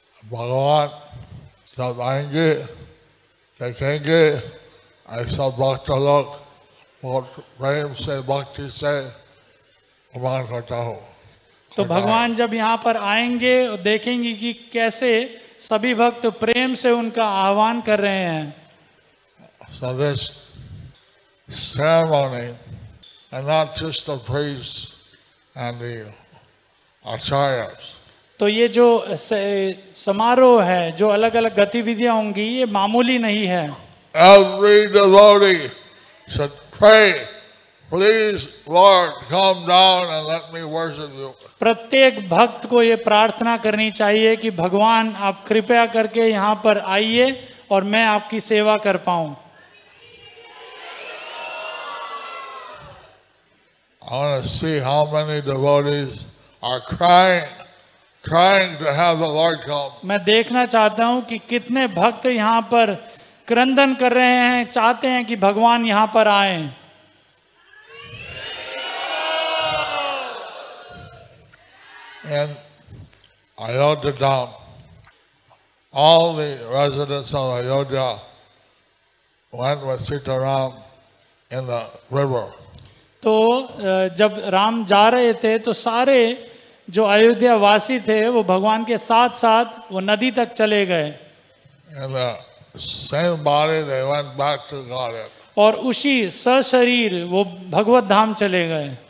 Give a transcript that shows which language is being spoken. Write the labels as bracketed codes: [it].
[hi] भगवान जब आएंगे देखेंगे ऐसा भक्त लोग बहुत प्रेम से भक्ति से भगवान करता हो तो भगवान जब यहाँ पर आएंगे और देखेंगे कि कैसे सभी भक्त प्रेम से उनका आह्वान कर रहे हैं [en] So this ceremony and not just the priests and the acharyas. [hi] तो ये जो समारोह है जो अलग अलग गतिविधियां होंगी ये मामूली नहीं है [en] Every devotee should pray, please, Lord, come down and let me worship you. [hi] प्रत्येक भक्त को ये प्रार्थना करनी चाहिए कि भगवान आप कृपया करके यहाँ पर आइए और मैं आपकी सेवा कर पाऊं [en] I want to see how many devotees are crying to have the Lord come. [hi] मैं देखना चाहता हूं कि कितने भक्त यहां पर क्रंदन कर रहे हैं चाहते हैं कि भगवान यहां पर आए [en] And Ayodhya Dham, all the residents of Ayodhya went with Sitaram in the river. [hi] तो जब राम जा रहे थे तो सारे जो अयोध्या वासी थे वो भगवान के साथ साथ वो नदी तक चले गए और उसी सशरीर वो भगवत धाम चले गए